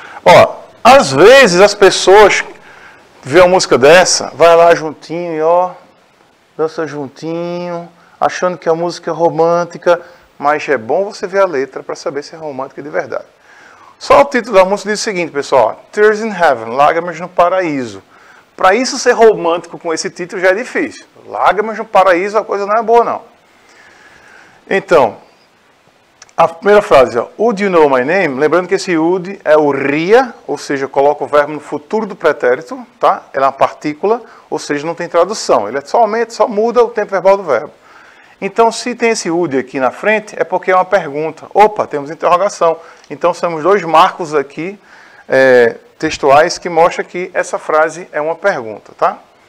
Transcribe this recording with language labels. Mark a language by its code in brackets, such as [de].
[pt] Ó, às vezes as pessoas vê uma música dessa, vai lá juntinho e ó, dança juntinho, achando que a música é romântica, mas é bom você ver a letra para saber se é romântica de verdade. Só o título da música diz o seguinte, pessoal: Tears in Heaven, lágrimas no paraíso. Para isso ser romântico com esse título já é difícil. Lágrimas no paraíso, a coisa não é boa, não. Então, a primeira frase, ó, [en] would you know my name? [pt] Lembrando que esse would é o ria, ou seja, coloca o verbo no futuro do pretérito, tá? Ela é uma partícula, ou seja, não tem tradução. Ele somente só muda o tempo verbal do verbo. Então, se tem esse would aqui na frente, é porque é uma pergunta. Opa, temos interrogação. Então, temos dois marcos aqui, textuais, que mostram que essa frase é uma pergunta, tá?